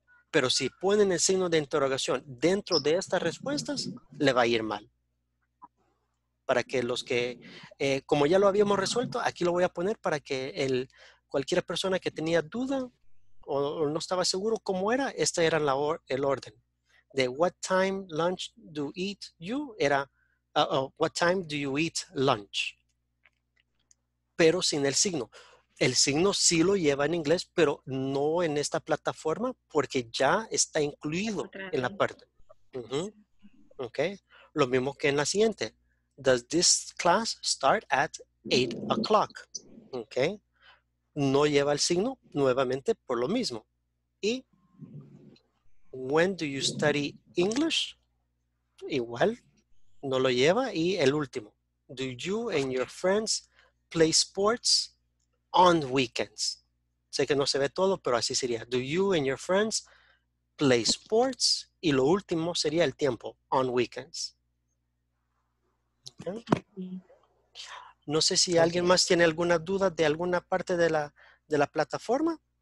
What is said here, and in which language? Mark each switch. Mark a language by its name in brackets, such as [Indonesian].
[Spanish] Pero si ponen el signo de interrogación dentro de estas respuestas, le va a ir mal. Para que los que, como ya lo habíamos resuelto, aquí lo voy a poner para que cualquier persona que tenía duda o no estaba seguro cómo era, este era el orden. De [English] what time lunch do eat you, [Spanish] era [English] what time do you eat lunch. [Spanish] Pero sin el signo. El signo sí lo lleva en inglés, pero no en esta plataforma porque ya está incluido en la parte. [English] Okay. [Spanish] Lo mismo que en la siguiente. [English] Does this class start at 8 o'clock? Okay. [Spanish] No lleva el signo nuevamente por lo mismo. Y [English] when do you study English? [Spanish] Igual no lo lleva. Y el último. [English] Do you and your friends play sports on weekends? [Spanish] Sé que no se ve todo, pero así sería. [English] Do you and your friends play sports? [Spanish] Y lo último sería el tiempo, [English] on weekends. [Spanish] Okay. No sé si alguien más tiene alguna duda de alguna parte de la plataforma.